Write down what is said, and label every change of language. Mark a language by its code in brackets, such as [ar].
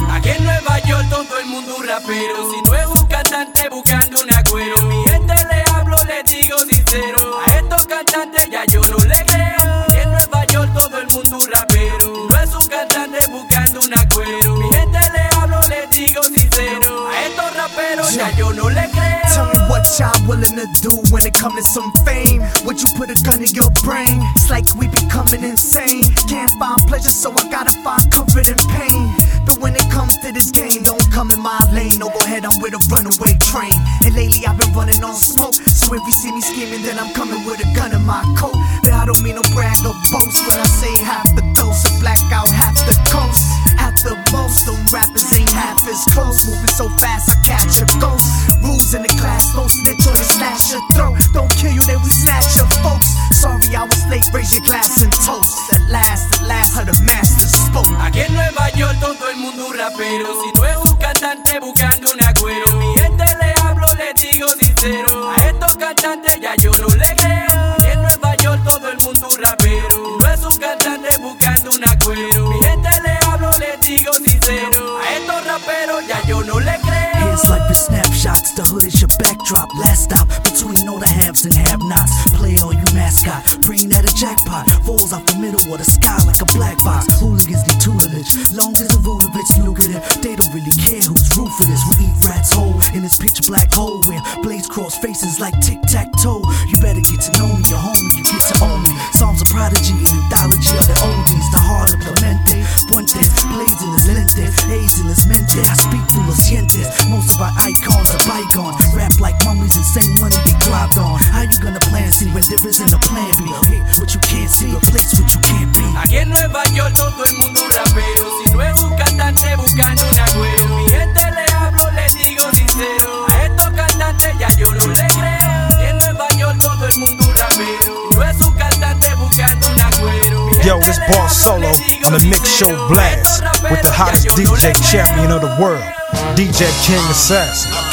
[es] Aquí en Nueva York todo el mundo un rapero, si no es un cantante buscando un agüero, mi gente le hablo, le digo sincero, a estos cantantes ya yo no le creo. Aquí en Nueva York todo el mundo un rapero, si no es un cantante buscando un agüero, mi gente le hablo, le digo sincero, a estos raperos ya yo no le creo. [en] Y'all willing to do when it comes to some fame? Would you put a gun in your brain? It's like we becoming insane. Can't find pleasure, so I gotta find comfort in pain. But when it comes to this game, don't come in my lane. No, go ahead, I'm with a runaway train. And lately I've been running on smoke, so if you see me scheming, then I'm coming with a gun in my coat. Then I don't mean no brag or boast when I say half the dose of blackout, half the coast. Half the most, them rappers ain't half as close. Moving so fast, I catch a ghost. Rules in the class, don't snitch on the slash your throat. Don't kill you, then we snatch your folks. Sorry I was late, raise your glass and toast. At last, how the master spoke. [es] Aquí en Nueva York todo el mundo un rapero, si no es un cantante buscando un agüero. Mi gente le hablo, le digo sincero, a estos cantantes ya yo no le creo. Aquí en Nueva York todo el mundo un rapero, si no es un cantante buscando un agüero. Mi gente le hablo, le digo sincero, a estos raperos ya yo no le creo. [en] Life is snapshots, the hood is your backdrop. Last stop, between all the haves and have-nots. Play all you mascot, preen at a jackpot. Falls off the middle of the sky like a black box. Hooligans need tutelage, long as the root of it's lucrative. They don't really care whose roof it is. We eat rats whole in this pitch black hole, where blades cross faces like tic-tac-toe. You better get to know me, your homie, you get to own me. Psalms of prodigy, an anthology of the oldies. The heart of Clemente, Puente, blades in his lente, A's in his mente. I speak through [es] los sientes. [en] Most of our icons are bygones. Rap like mummies and same money they grabbed on. How you gonna plan C when there isn't a plan B? Hit what you can't see, replace what you can't be. [es] Aquí en Nueva York todo el mundo rapero, si no es un cantante buscando un agüero. Mi gente le hablo, le digo sincero, a estos cantantes ya yo no le creo. Aquí en Nueva York todo el mundo rapero, si no es un cantante buscando un agüero. [en] Yo, it's Boss Solo on the Mix Show Blast with the hottest DJ champion of the world, DJ King Assassin.